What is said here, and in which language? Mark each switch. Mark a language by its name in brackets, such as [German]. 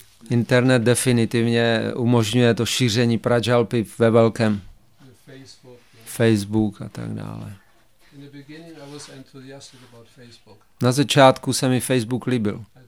[Czech] Internet definitivně umožňuje to šíření Prajalpy ve velkém. Facebook a tak dále. [English] In the beginning I was enthusiastic about Facebook. [Czech] Na začátku se mi Facebook líbil.